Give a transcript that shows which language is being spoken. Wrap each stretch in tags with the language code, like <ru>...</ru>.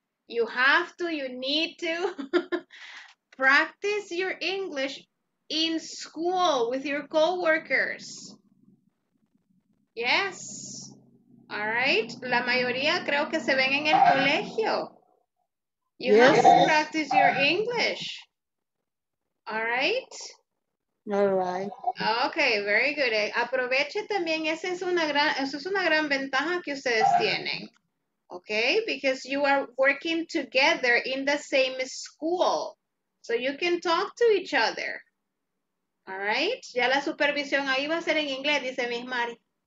<en>You have to, you need to practice your English in school with your coworkers. Yes. All right.</en> <es>La mayoría creo que se ven en el colegio.</es> <en>You yes. have to practice your English. All right? All right. Okay, very good.</en> <es>Aproveche también, esa es una gran ventaja que ustedes tienen.</es> <en>okay? Because you are working together in the same school. So you can talk to each other. All right?</en> <es>Ya la supervisión ahí va a ser en inglés, dice Miss Mari.</es>